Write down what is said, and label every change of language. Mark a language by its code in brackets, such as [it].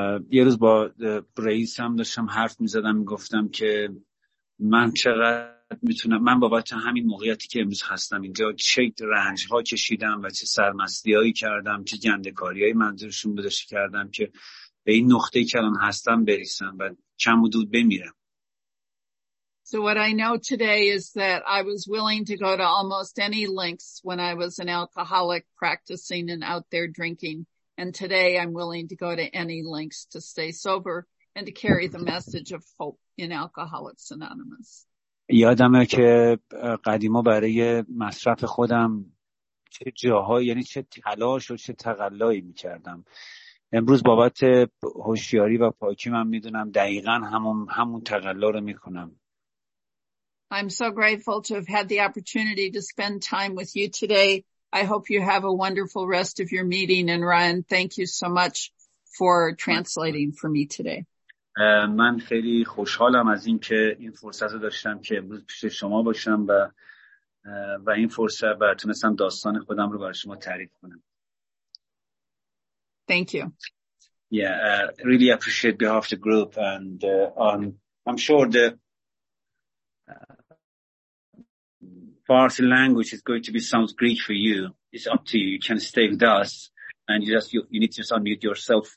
[fa] یه روز با رئیسم داشتم حرف می‌زدم، گفتم که من چقدر میتونم، من بابت همین موقعیتی که امروز هستم اینجا چه رنج ها کشیدم و چه سرمستی هایی کردم، چه گنده کاری هایی منظورشون بذاشته کردم که به این نقطه که الان هستم برسم و کم و دود بمیرم. [en] So what I know today is that I was willing to go to almost any lengths when I was an alcoholic practicing and out there drinking. And today I'm willing to go to any lengths to stay sober and to carry the message of hope in Alcoholics Anonymous. [fa] یادمه که قدیما برای مصرف خودم چه جاهای، یعنی چه تلاش و چه تقلایی میکردم. امروز بابت هوشیاری و پاکی من میدونم دقیقا همون تقلا رو میکنم. [en] I'm so grateful to have had the opportunity to spend time with you today. I hope you have a wonderful rest of your meeting. And Ryan, thank you so much for translating for me today. [fa] من خیلی خوشحالم از این که این فرصت رو داشتم که امروز پیش شما باشم و این فرصت و تونستم داستان خودم رو برای شما تعریف کنم. [en] Thank you. Yeah, I really appreciate behalf of the group and I'm sure the Farsi language is going to be sounds Greek for you. It's up to you. You can stay with us, and you need to just unmute yourself.